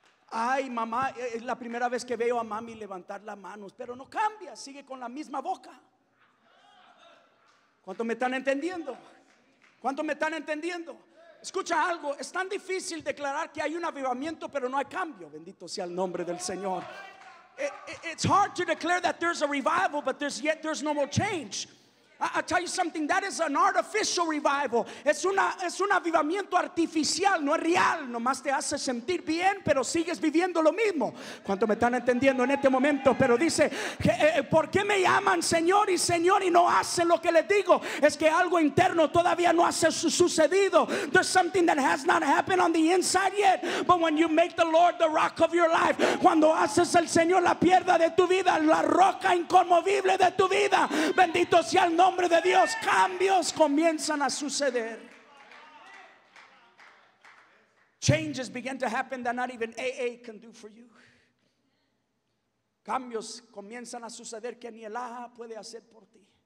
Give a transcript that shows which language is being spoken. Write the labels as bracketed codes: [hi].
[es] Ay, mamá, es la primera vez que veo a mami levantar las manos, pero no cambia, sigue con la misma boca. ¿Cuánto me están entendiendo? ¿Cuánto me están entendiendo? Escucha algo, es tan difícil declarar que hay un avivamiento, pero no hay cambio. Bendito sea el nombre del Señor. [en] It's hard to declare that there's a revival, but there's no more change. I'll tell you something, that is an artificial revival. [es] Es un avivamiento artificial, no es real. Nomás te hace sentir bien, pero sigues viviendo lo mismo. ¿Cuánto me están entendiendo en este momento? Pero dice, ¿por qué me llaman Señor y Señor y no hacen lo que les digo? Es que algo interno todavía no ha sucedido. [en] There's something that has not happened on the inside yet. But when you make the Lord the rock of your life, [es] cuando haces al Señor la piedra de tu vida, la roca inconmovible de tu vida, bendito sea el nombre de Dios, cambios comienzan a suceder. [en] Changes begin to happen that not even AA can do for you. [es] Cambios comienzan a suceder que ni el AA puede hacer por ti.